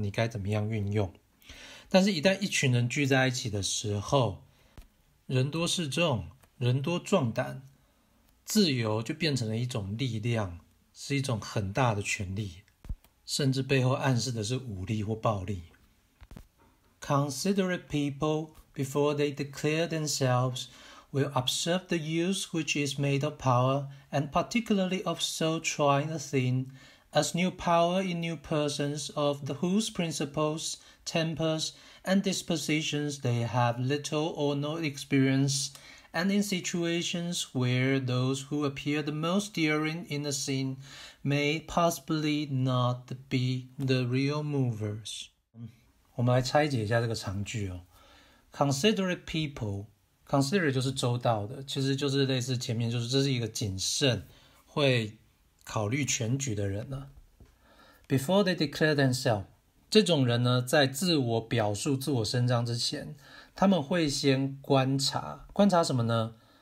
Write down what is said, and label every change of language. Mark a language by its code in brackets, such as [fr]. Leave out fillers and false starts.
[zh] 你该怎么样运用？” 但是，一旦一群人聚在一起的时候，人多势众，人多壮胆，自由就变成了一种力量，是一种很大的权力，甚至背后暗示的是武力或暴力。 [en] Considerate people, before they declare themselves, will observe the use which is made of power, and particularly of so trying a thing, as new power in new persons of the whose principles, tempers, and dispositions they have little or no experience, and in situations where those who appear the most daring in a scene may possibly not be the real movers. [zh] 我们来拆解一下这个长句哦。 [en] Considerate people， [zh] considerate 就是周到的，其实就是类似前面，就是这是一个谨慎、会考虑全局的人呢。 [en] Before they declare themselves， [zh] 这种人呢，在自我表述、自我伸张之前，他们会先观察，观察什么呢？